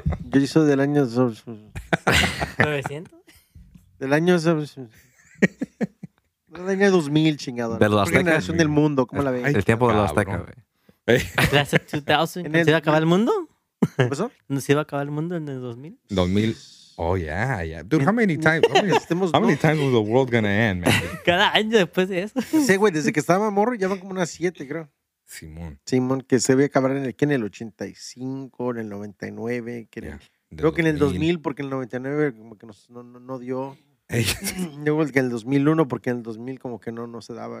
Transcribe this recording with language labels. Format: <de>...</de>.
<es>Yo soy del año. ¿900? Del año. Del año 2000, chingado. De los aztecas. Generación del mundo, ¿cómo la ves? El tiempo de los aztecas, güey. ¿Las 2000? ¿Se iba a acabar el mundo? ¿Pasó? ¿Se iba a acabar el mundo en el 2000?</es> <en>2000. Oh, yeah, yeah. Dude, how many times is the world going to end, man?</en> <es>Cada año después de eso. Sí, güey, desde que estaba morro ya van como unas 7, creo. Simón, que se ve acabar en el 85, en el 99. Que yeah. Creo que en el 2000, porque en el 99 como que no dio. Luego que en el 2001, porque en el 2000 como que no se daba.</es>